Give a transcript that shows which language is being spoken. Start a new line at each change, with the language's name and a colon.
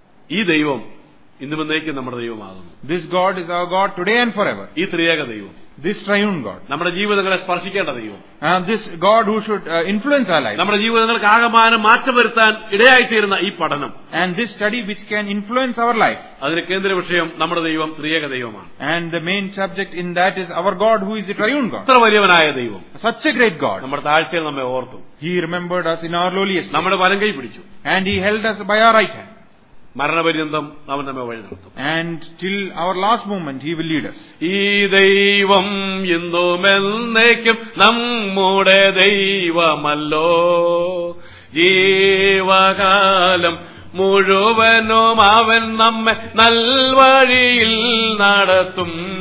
Malayalam: ഈ ദൈവം ഇന്നും എന്നേക്കും നമ്മുടെ ദൈവമാകുന്നു.
English: This God is our God today and for ever.
Malayalam: ഈ ത്രിയേക ദൈവം,
English: this triune God,
Malayalam: നമ്മുടെ ജീവിതങ്ങളെ സ്പർശിക്കേണ്ട ദൈവം,
English: this God who should influence our lives,
Malayalam: നമ്മുടെ ജീവിതങ്ങൾക്ക് ആകമാനം മാറ്റം വരുത്താൻ ഇടയായിത്തീരുന്ന ഈ പഠനം,
English: and this study which can influence our life,
Malayalam: അതിന് കേന്ദ്ര വിഷയം നമ്മുടെ ദൈവം ത്രിയേക ദൈവമാണ്.
English: And the main subject in that is our God who is a triune God.
Malayalam: എത്ര വലിയവനായ ദൈവം,
English: such a great God.
Malayalam: നമ്മുടെ താഴ്ചയിൽ നമ്മെ ഓർത്തു.
English: He remembered us in our lowliest.
Malayalam: നമ്മുടെ വലം കൈ പിടിച്ചു.
English: And he held us by our right hand.
Malayalam: മരണപര്യന്തം അവൻ നമ്മെ വഴി നടത്തും.
English: And till our last moment he will lead us.
Malayalam: ഈ ദൈവം എന്നുമെന്നേക്കും നമ്മുടെ ദൈവമല്ലോ, ജീവകാലം മുഴുവനും അവൻ നമ്മെ നൽവഴിയിൽ നടത്തും.